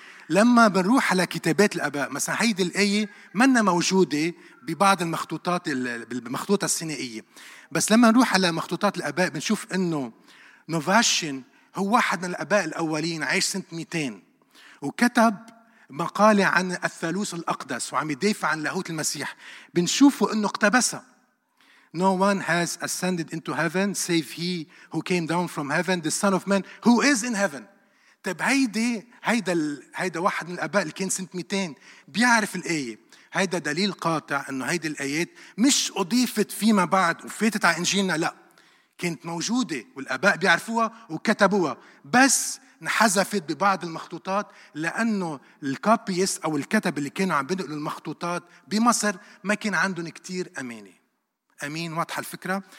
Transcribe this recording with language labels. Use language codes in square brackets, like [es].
[ar] لما بنروح على كتابات الآباء مثلا، هيدي الآية منا موجودة ببعض المخطوطات بالمخطوطة السينائية، بس لما نروح على مخطوطات الآباء بنشوف إنه نوفاشن هو واحد من الآباء الأولين، عايش سنة 200، وكتب مقالة عن الثالوث الأقدس وعم يدافع عن لاهوت المسيح. بنشوفه أنه اقتبسه. [en] No one has ascended into heaven save he who came down from heaven, the son of man who is in heaven. [ar] طيب هيدا واحد من الآباء اللي كان سنة 200 بيعرف الآية. هيدا دليل قاطع أنه هيدا الآيات مش أضيفت فيما بعد وفاتت على إنجيلنا، لا كانت موجودة والآباء بيعرفوها وكتبوها، بس انحذفت ببعض المخطوطات لأنه الكابيس أو الكتب اللي كانوا عم بينقلوا المخطوطات بمصر ما كان عندهم كتير أمانة. أمين، واضحة الفكرة.